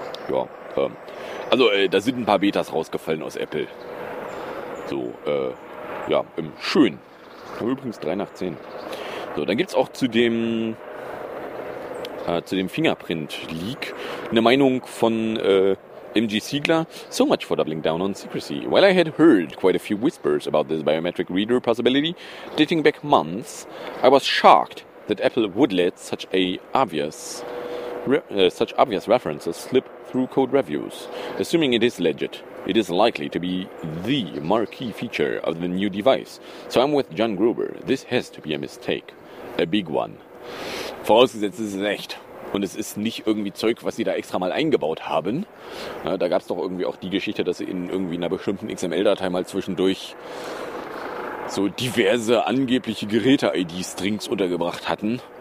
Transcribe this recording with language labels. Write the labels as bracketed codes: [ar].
[de] Ja, da sind ein paar Betas rausgefallen aus Apple. So, schön. Übrigens 3 nach 10. So, dann gibt's auch zu dem Fingerprint-Leak eine Meinung von MG Siegler. [en] So much for doubling down on secrecy. While I had heard quite a few whispers about this biometric reader possibility dating back months, I was shocked that Apple would let such a obvious... such obvious references slip through code reviews. Assuming it is legit, it is likely to be the marquee feature of the new device. So I'm with John Gruber. This has to be a mistake. A big one. [de] Vorausgesetzt, es ist echt. Und es ist nicht irgendwie Zeug, was sie da extra mal eingebaut haben. Ja, da gab es doch irgendwie auch die Geschichte, dass sie in irgendwie einer bestimmten XML-Datei mal zwischendurch so diverse angebliche Geräte-ID-Strings untergebracht hatten.